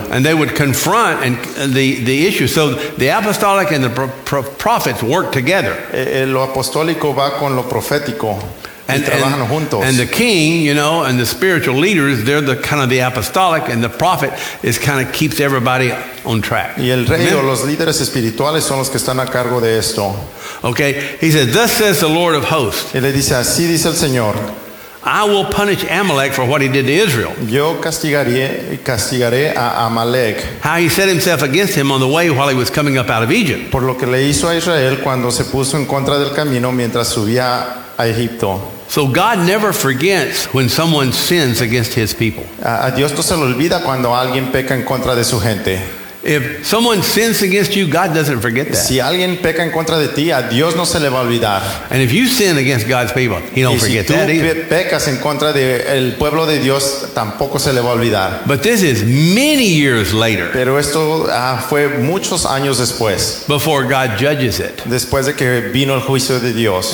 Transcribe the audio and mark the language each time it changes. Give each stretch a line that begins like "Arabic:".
English: And they would confront the issue. So the apostolic and the prophets work together.
Spanish: Lo apostólico va con lo profético.
English: And the king, you know, and the spiritual leaders, they're the kind of the apostolic, and the prophet is kind of keeps everybody on track.
Spanish: Y el rey o los líderes espirituales son los que están a cargo de esto.
English: Okay, he says, "Thus says the Lord of hosts."
Spanish: Y le dice, así dice el Señor.
English: I will punish Amalek for what he did to Israel.
Spanish: Yo castigaré a Amalek.
English: How he set himself against him on the way while he was coming up out of Egypt.
Spanish: Por lo que le hizo a Israel cuando se puso en contra del camino mientras subía a Egipto.
English: So God never forgets when someone sins against his people.
Spanish: A Dios no se le olvida cuando alguien peca en contra de su gente.
English: If someone sins against you, God doesn't forget that.
Spanish: Si alguien peca en contra de ti, a Dios no se le va a olvidar.
English: And if you sin against God's people, He don't forget that either.
Spanish: Y si tú pecas en contra del pueblo de Dios, tampoco se le va a olvidar.
English: But this is many years later.
Spanish: Pero esto fue muchos años después.
English: Before God judges it.
Spanish: Después de que vino el juicio de Dios.